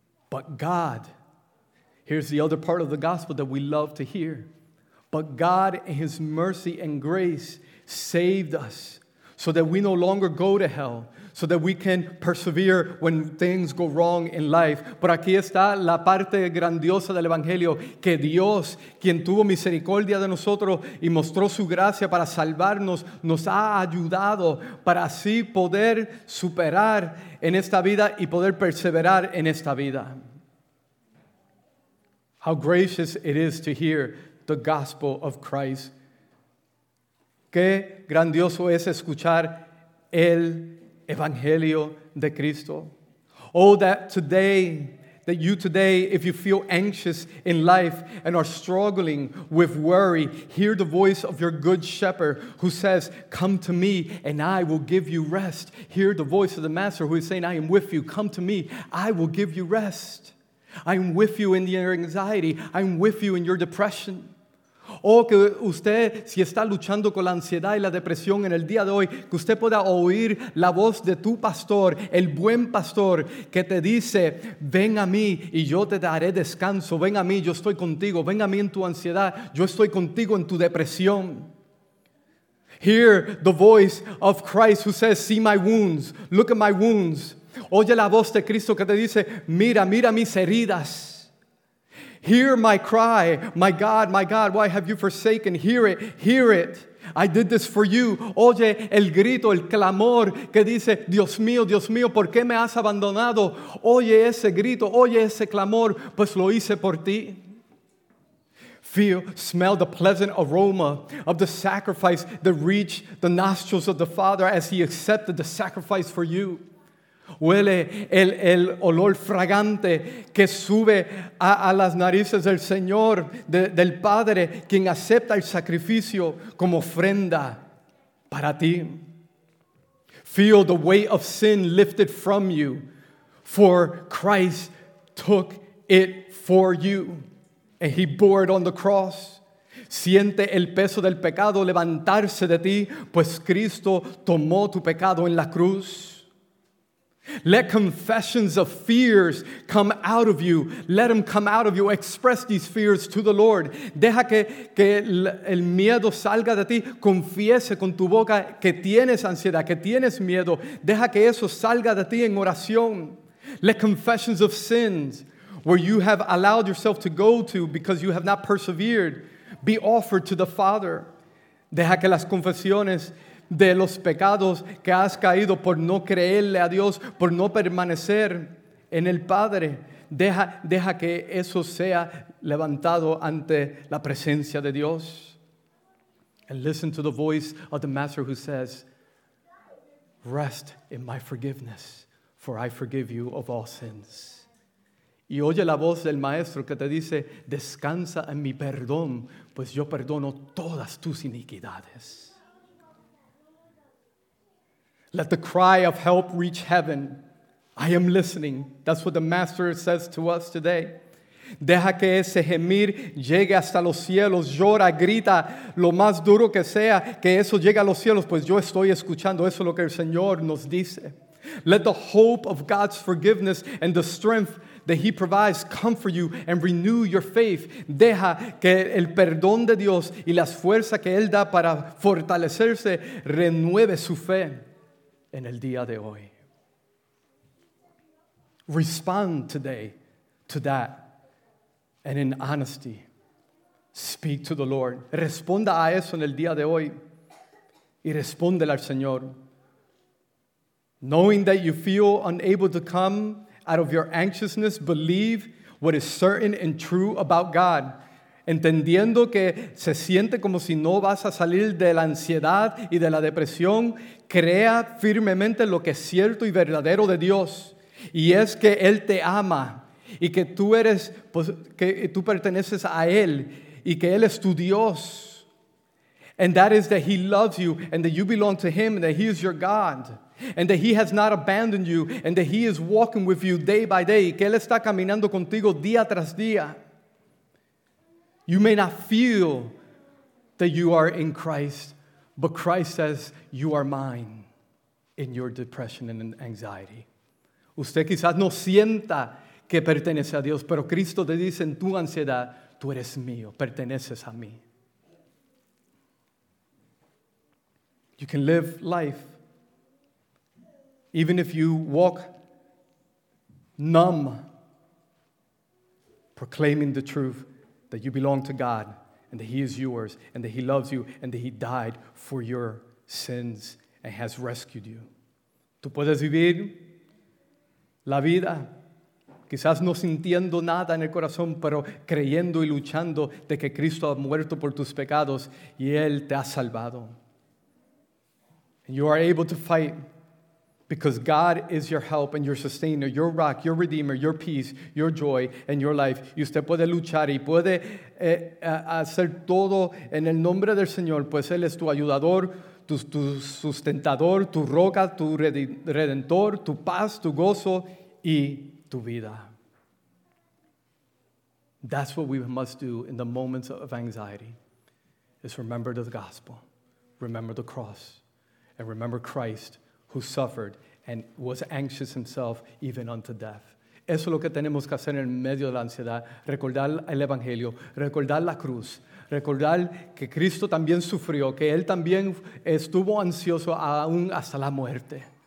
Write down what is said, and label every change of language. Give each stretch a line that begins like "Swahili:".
English: But God, here's the other part of the gospel that we love to hear. But God, in His mercy and grace, saved us so that we no longer go to hell, so that we can persevere when things go wrong in life.
Spanish: Por aquí está la parte grandiosa del Evangelio, que Dios, quien tuvo misericordia de nosotros y mostró su gracia para salvarnos, nos ha ayudado para así poder superar en esta vida y poder perseverar en esta vida.
English: How gracious it is to hear the gospel of Christ.
Spanish: Qué grandioso es escuchar el Evangelio de Cristo.
English: Oh, that today, that you today, if you feel anxious in life and are struggling with worry, hear the voice of your good shepherd who says, come to me and I will give you rest. Hear the voice of the master who is saying, I am with you. Come to me, I will give you rest. I am with you in your anxiety. I am with you in your depression.
Spanish: Oh, que usted, si está luchando con la ansiedad y la depresión en el día de hoy, que usted pueda oír la voz de tu pastor, el buen pastor, que te dice, ven a mí y yo te daré descanso. Ven a mí, yo estoy contigo. Ven a mí en tu ansiedad. Yo estoy contigo en tu depresión.
English: Hear the voice of Christ who says, see my wounds. Look at my wounds.
Spanish: Oye la voz de Cristo que te dice, mira, mira mis heridas.
English: Hear my cry, my God, why have you forsaken? Hear it, hear it. I did this for you.
Spanish: Oye el grito, el clamor que dice, Dios mío, ¿por qué me has abandonado? Oye ese grito, oye ese clamor, pues lo hice por ti.
English: Feel, smell the pleasant aroma of the sacrifice that reached the nostrils of the Father as he accepted the sacrifice for you.
Spanish: Huele el olor fragante que sube a las narices del Señor, del Padre, quien acepta el sacrificio como ofrenda para ti.
English: Feel the weight of sin lifted from you, for Christ took it for you, and he bore it on the cross.
Spanish: Siente el peso del pecado levantarse de ti, pues Cristo tomó tu pecado en la cruz.
English: Let confessions of fears come out of you. Let them come out of you. Express these fears to the Lord.
Spanish: Deja que el miedo salga de ti. Confiese con tu boca que tienes ansiedad, que tienes miedo. Deja que eso salga de ti en oración.
English: Let confessions of sins where you have allowed yourself to go to because you have not persevered be offered to the Father.
Spanish: Deja que las confesiones de los pecados que has caído por no creerle a Dios, por no permanecer en el Padre. Deja que eso sea levantado ante la presencia de Dios.
English: And listen to the voice of the Master who says, rest in my forgiveness, for I forgive you of all sins.
Spanish: Y oye la voz del Maestro que te dice, descansa en mi perdón, pues yo perdono todas tus iniquidades.
English: Let the cry of help reach heaven. I am listening. That's what the Master says to us today.
Spanish: Deja que ese gemir llegue hasta los cielos. Llora, grita, lo más duro que sea, que eso llegue a los cielos. Pues yo estoy escuchando. Eso es lo que el Señor nos dice.
English: Let the hope of God's forgiveness and the strength that he provides comfort you and renew your faith.
Spanish: Deja que el perdón de Dios y las fuerzas que él da para fortalecerse renueve su fe. En el día de hoy.
English: Respond today to that. And in honesty, speak to the Lord.
Spanish: Responda a eso en el día de hoy. Y respóndele al Señor.
English: Knowing that you feel unable to come out of your anxiousness, believe what is certain and true about God.
Spanish: Entendiendo que se siente como si no vas a salir de la ansiedad y de la depresión, crea firmemente lo que es cierto y verdadero de Dios, y es que Él te ama, y que tú eres, pues, que tú perteneces a Él, y que Él es tu Dios.
English: And that is that He loves you, and that you belong to Him, and that He is your God. And that he has not abandoned you, and that he is walking with you day by day,
Spanish: y que Él está caminando contigo día tras día.
English: You may not feel that you are in Christ, but Christ says, you are mine in your depression and anxiety.
Spanish: Usted quizás no sienta que pertenece a Dios, pero Cristo te dice en tu ansiedad, tú eres mío, perteneces a mí.
English: You can live life, even if you walk numb, proclaiming the truth, that you belong to God, and that he is yours, and that he loves you, and that he died for your sins and has rescued you.
Spanish: Tú puedes vivir la vida, quizás no sintiendo nada en el corazón, pero creyendo y luchando de que Cristo ha muerto por tus pecados y Él te ha salvado.
English: And you are able to fight because God is your help and your sustainer, your rock, your redeemer, your peace, your joy, and your life.
Spanish: Y usted puede luchar y puede hacer todo en el nombre del Señor, pues Él es tu ayudador, tu sustentador, tu roca, tu redentor, tu paz, tu gozo, y tu vida.
English: That's what we must do in the moments of anxiety, is remember the gospel, remember the cross, and remember Christ, who suffered and was anxious himself even unto death.
Spanish: Eso es lo que tenemos que hacer en medio de la ansiedad. Recordar el Evangelio, recordar la cruz, recordar que Cristo también sufrió, que Él también estuvo ansioso aún hasta la muerte.